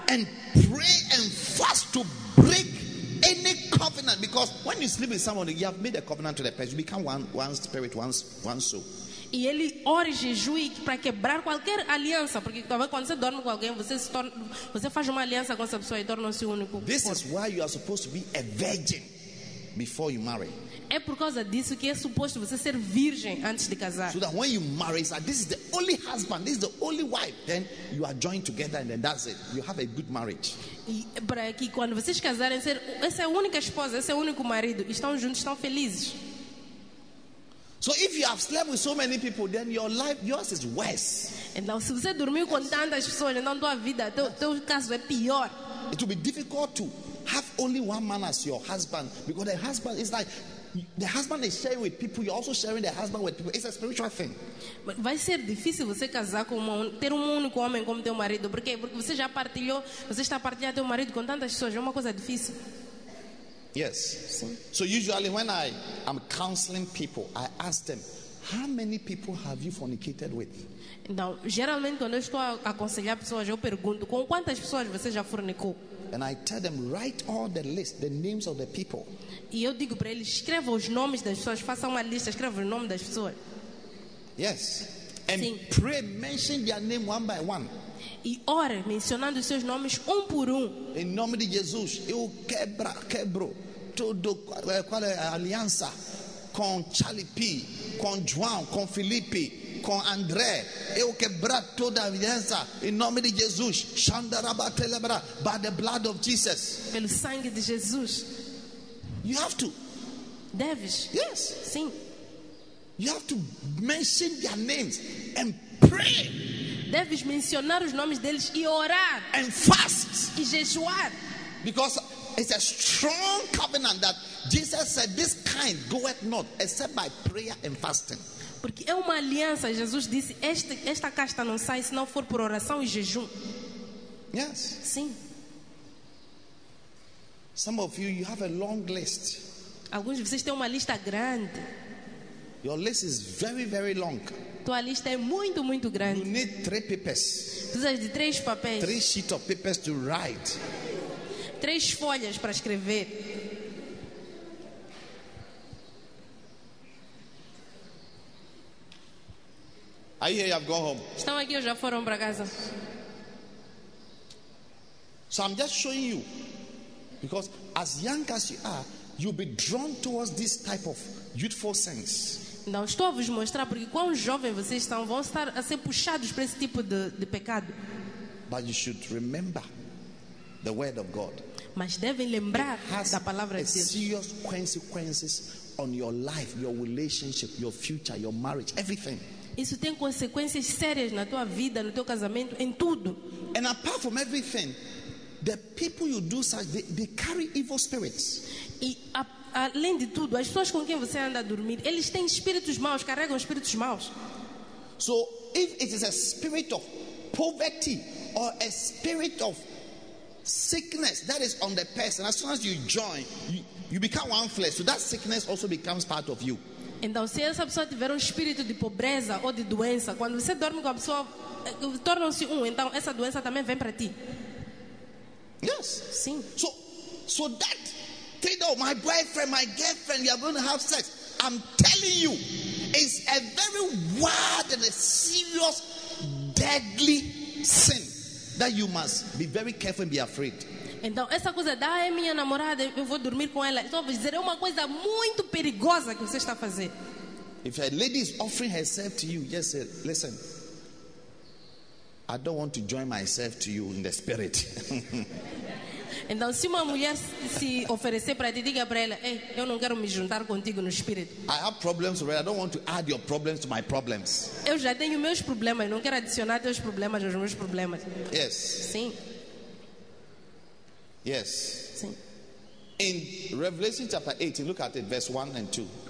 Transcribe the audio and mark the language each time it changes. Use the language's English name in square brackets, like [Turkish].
[English] and pray and fast to break any covenant, because when you sleep with someone, you have made a covenant to the person, you become one spirit, one soul. [Portuguese] E ele ora e jejua para quebrar qualquer aliança, porque talvez quando você dorme com alguém, você faz uma aliança com essa pessoa e torna-se único. [English] This is why you are supposed to be a virgin before you marry. [Portuguese] É por causa disso que é suposto você ser virgem antes de casar. [English] So that when you marry, so this is the only husband, this is the only wife, then you are joined together and then that's it. You have a good marriage. [Portuguese] E para que quando vocês casarem, ser essa é a única esposa, esse é o único marido, estão juntos, estão felizes. [English] So if you have slept with so many people, then your life, yours is worse. [Portuguese] Então se você dormiu com tantas pessoas, então tua vida, teu caso é pior. [English] It will be difficult to have only one man as your husband, because the husband is like, the husband is sharing with people, you're also sharing the husband with people. It's a spiritual thing. [Portuguese] But vai ser difícil você casar com ter único homem como teu marido. Por quê? Porque você já partilhou, você está partilhando teu marido com tantas pessoas. É uma coisa difícil. [English] Yes. So usually when I'm counseling people, I ask them, how many people have you fornicated with? [Portuguese] Então, geralmente quando eu estou a aconselhar pessoas, eu pergunto, com quantas pessoas você já fornicou? [English] And I tell them, write all the list, the names of the people. [Portuguese] E eu digo para eles, escreva os nomes das pessoas, faça uma lista, escreva o nome das pessoas. [English] Yes. And Sim. Pray, mention their name one by one. [Portuguese] E ore, mencionando seus nomes um por um. Em nome de Jesus, eu quebro tudo, qual é a aliança com Charlie P, com João, com Felipe, com André, eu quebro toda a aliança em nome de Jesus, Shandarabatelebra, [English] by the blood of Jesus. [Portuguese] Pelo sangue de Jesus. [English] You have to. [Portuguese] Deves. [English] Yes. [Portuguese] Sim. [English] You have to mention their names and pray. [Portuguese] Deves mencionar os nomes deles e orar. [English] And fast. [Portuguese] E jejuar. [English] Because it's a strong covenant that Jesus said, this kind goeth not except by prayer and fasting. [Portuguese] Porque é uma aliança, Jesus disse, esta casta não sai se não for por oração e jejum. [English] Yes. [Portuguese] Sim. [English] Some of you have a long list. [Portuguese] Alguns de vocês têm uma lista grande. [English] Your list is very, very long. [Portuguese] Tua lista é muito, muito grande. [English] You need three papers. [Portuguese] Precisas de três papéis. [English] Three sheets of papers to write. [Portuguese] Três folhas para escrever. [English] Are you here? I've gone home. [Portuguese] Estão aqui ou já foram para casa? [English] So I'm just showing you, because as young as you are, you'll be drawn towards this type of youthful things. [Portuguese] Não estou a vos mostrar porque quão jovem vocês estão, vão estar a ser puxados para esse tipo de pecado. [English] But you should remember the word of God. [Portuguese] Mas devem lembrar da palavra de Deus. [English] It has serious consequences on your life, your relationship, your future, your marriage, everything. [Portuguese] Isso tem consequências sérias na tua vida, no teu casamento, em tudo. [English] And apart from everything, The people you do such, they carry evil spirits. [Portuguese] E além de tudo, as pessoas com quem você anda a dormir, eles têm espíritos maus, carregam espíritos maus. [English] So if it is a spirit of poverty or a spirit of sickness that is on the person, as soon as you join, you become one flesh. So that sickness also becomes part of you. [Portuguese] Então, se essa pessoa tiver espírito de pobreza ou de doença, quando você dorme com a pessoa, tornam-se então essa doença também vem para ti. [English] Yes. [Portuguese] Sim. [English] So that thing, oh, my boyfriend, my girlfriend, you are going to have sex. I'm telling you, it's a very wild and a serious, deadly sin that you must be very careful and be afraid. [Portuguese] Então, essa coisa da é minha namorada, eu vou dormir com ela. Então, vou dizer, é uma coisa muito perigosa que você está a fazer. [English] If a lady is offering herself to you, just say, listen, I don't want to join myself to you in the spirit. [Portuguese] Então, se uma mulher se oferecer para ti, diga para ela, eu não quero me juntar contigo no espírito. [English] I have problems already. I don't want to add your problems to my problems. [Portuguese] Eu já tenho meus problemas, não quero adicionar teus problemas aos meus problemas. [English] Yes. [Portuguese] Sim. [English] Yes. [Portuguese] Sim. [English] In Revelation chapter 18, look at it, verse 1 and 2.